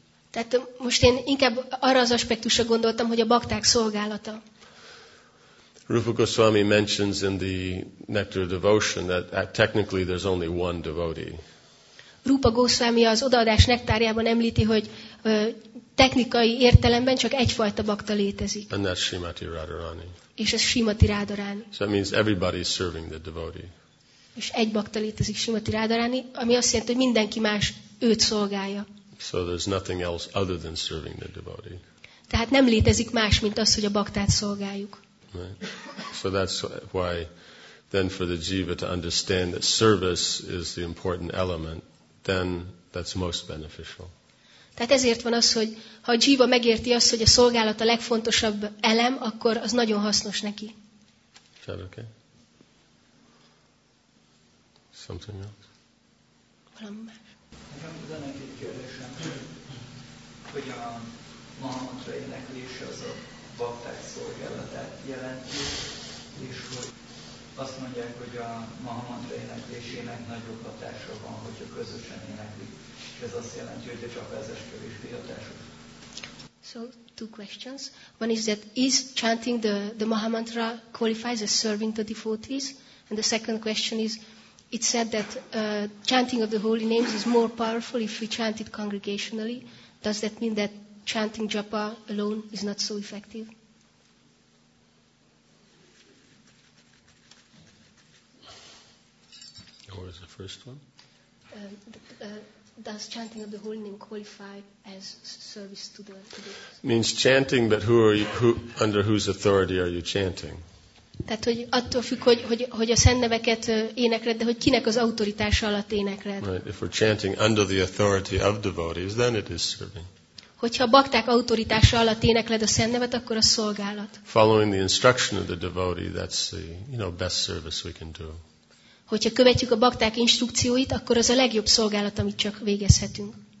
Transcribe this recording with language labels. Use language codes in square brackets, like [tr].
[hu] Tehát most én inkább arra az aspektusra gondoltam, hogy a bakták szolgálata. [en] Rupa Goswami mentions in the Nectar of Devotion that technically there's only one devotee. [hu] Rupa Goswami az odaadás nektárjában említi, hogy technikai értelemben csak egyfajta bakta létezik. [en] And that's Srimati Radharani. [hu] És ez Srimati Radharani. [en] So that means everybody is serving the devotee. [hu] És egy bakta létezik Srimati Radharani, ami azt jelenti, hogy mindenki más őt szolgálja. [en] So there's nothing else other than serving the devotee. [hu] Tehát nem létezik más, mint az, hogy a baktát szolgáljuk. [en] Right. So that's why then for the jiva to understand that service is the important element, then that's most beneficial. [hu] Tehát ezért van az, hogy ha a dzsíva megérti azt, hogy a szolgálat a legfontosabb elem, akkor az nagyon hasznos neki. [en] Okay. Something else? [hu] Valami más. Nekem lenne egy kérdésem, hogy a mantra éneklése az a bakták szolgálatát jelenti, és hogy azt mondják, hogy a mantra éneklésének nagyobb hatása van, hogyha közösen éneklik. Ez azt jelenti, hogy csak az eskövésbé a társadalmat. [en] So, two questions. One is that, is chanting the Mahamantra qualifies as serving the devotees? And the second question is, it's said that chanting of the holy names is more powerful if we chant it congregationally. Does that mean that chanting japa alone is not so effective? What was the first one? Does chanting of the holy name qualify as service to the devotees? Means chanting, but under whose authority are you chanting? [hu] Tehát, hogy attól függ, hogy a szent neveket énekled, de hogy kinek az autoritása alatt énekled. [en] Right. If we're chanting under the authority of devotees, then it is serving. [hu] Hogyha a bakták autoritása alatt énekled a szent nevet, akkor a szolgálat. [en] Following the instruction of the devotee, that's the best service we can do. [hu] Hogyha követjük a bakták instrukcióit, akkor az a legjobb szolgálat, amit csak végezhetünk.